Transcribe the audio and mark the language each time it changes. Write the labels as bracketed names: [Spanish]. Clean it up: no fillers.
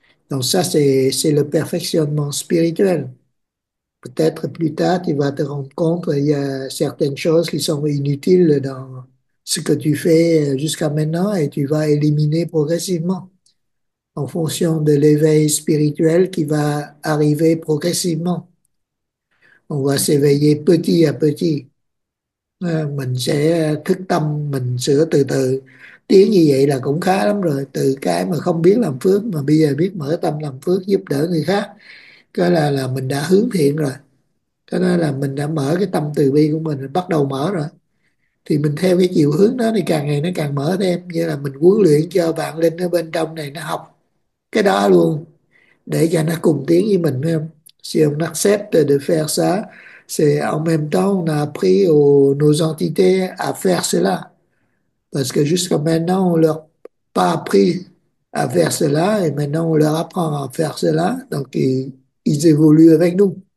[French] Donc ça, c'est le perfectionnement spirituel. Peut-être plus tard, tu vas te rendre compte qu'il y a certaines choses qui sont inutiles dans ce que tu fais jusqu'à maintenant et tu vas éliminer progressivement en fonction de l'éveil spirituel qui va arriver progressivement. On va s'éveiller petit à petit. [Vietnamese] Mình sẽ thức tâm, mình sửa từ từ. Tiếng như vậy là cũng khá lắm rồi. Từ cái mà không biết làm phước mà bây giờ biết mở tâm làm phước giúp đỡ người khác. Cái là mình đã hướng thiện rồi. Cho nên là mình đã mở cái tâm từ bi của mình, bắt đầu mở rồi. Thì mình theo cái chiều hướng đó thì càng ngày nó càng mở thêm. Như là mình huấn luyện cho bạn Linh ở bên trong này nó học cái đó luôn. Để cho nó cùng tiếng với mình, phải không? [French] Si on accepte de faire ça, c'est en même temps on a appris aux, nos entités à faire cela. Parce que jusqu'à maintenant, on ne leur a pas appris à faire cela et maintenant on leur apprend à faire cela. Donc ils évoluent avec nous.